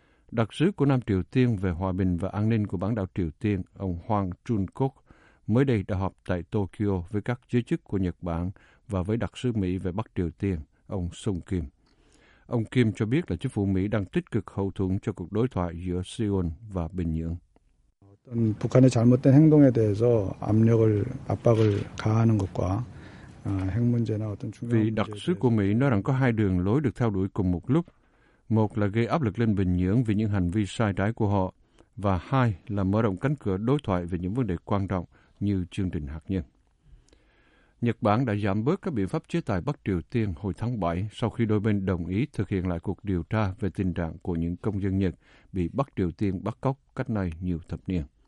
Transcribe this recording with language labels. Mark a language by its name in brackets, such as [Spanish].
[Vietnamese] Đặc sứ của Nam Triều Tiên về hòa bình và an ninh của bán đảo Triều Tiên, ông Hwang Chun-kuk, mới đây đã họp tại Tokyo với các giới chức của Nhật Bản và với đặc sứ Mỹ về Bắc Triều Tiên, ông Sung Kim. Ông Kim cho biết là chính phủ Mỹ đang tích cực hậu thuẫn cho cuộc đối thoại giữa Seoul và Bình Nhưỡng. [Korean] 북한의 잘못된 행동에 대해서 압력을 압박을 가하는 것과 핵 문제나 어떤 중요한 [Vietnamese] Vì đặc sứ của Mỹ nói rằng có hai đường lối được theo đuổi cùng một lúc. Một là gây áp lực lên Bình Nhưỡng vì những hành vi sai trái của họ và hai là mở rộng cánh cửa đối thoại về những vấn đề quan trọng như chương trình hạt nhân. Nhật Bản đã giảm bớt các biện pháp chế tài Bắc Triều Tiên hồi tháng 7 sau khi đôi bên đồng ý thực hiện lại cuộc điều tra về tình trạng của những công dân Nhật bị Bắc Triều Tiên bắt cóc cách nay nhiều thập niên.